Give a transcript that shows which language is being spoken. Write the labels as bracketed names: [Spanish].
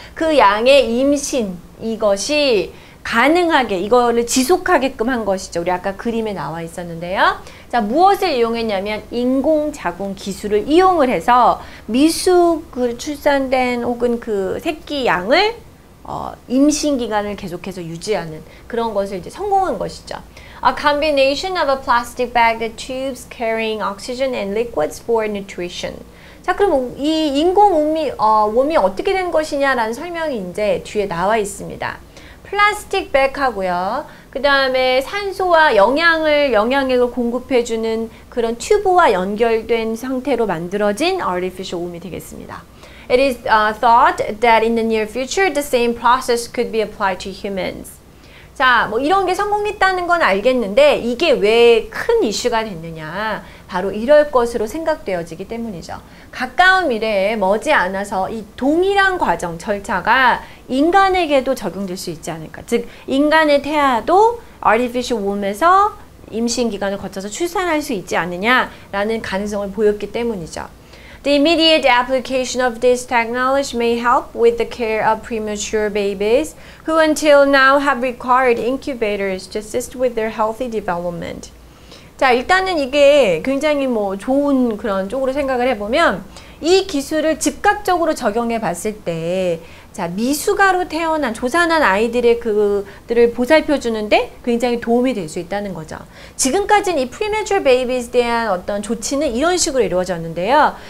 [Korean] 그 양의 임신 이것이 가능하게 이거를 지속하게끔 한 것이죠. 우리 아까 그림에 나와 있었는데요. 자, 무엇을 이용했냐면 인공 자궁 기술을 이용을 해서 미숙을 출산된 혹은 그 새끼 양을 임신 기간을 계속해서 유지하는 그런 것을 이제 성공한 것이죠. [English] A combination of a plastic bag and tubes carrying oxygen and liquids for nutrition. [Korean] 자, 그럼 이 인공 웜이 어떻게 된 것이냐라는 설명이 이제 뒤에 나와 있습니다. 플라스틱 백 하고요. 그 다음에 산소와 영양액을 공급해주는 그런 튜브와 연결된 상태로 만들어진 artificial womb이 되겠습니다. [English] It is thought that in the near future the same process could be applied to humans. [Korean] 자, 뭐 이런 게 성공했다는 건 알겠는데 이게 왜 큰 이슈가 됐느냐. 바로 이럴 것으로 생각되어지기 때문이죠. 가까운 미래에 머지않아서 이 동일한 과정, 절차가 인간에게도 적용될 수 있지 않을까. 즉, 인간의 태아도 artificial womb에서 임신 기간을 거쳐서 출산할 수 있지 않느냐라는 가능성을 보였기 때문이죠. [English] The immediate application of this technology may help with the care of premature babies who until now have required incubators to assist with their healthy development. [Korean] 자, 일단은 이게 굉장히 뭐 좋은 그런 쪽으로 생각을 해보면 이 기술을 즉각적으로 적용해 봤을 때 자, 미숙아로 태어난 조산한 아이들의 그들을 보살펴 주는데 굉장히 도움이 될 수 있다는 거죠. 지금까지는 이 premature babies에 대한 어떤 조치는 이런 식으로 이루어졌는데요.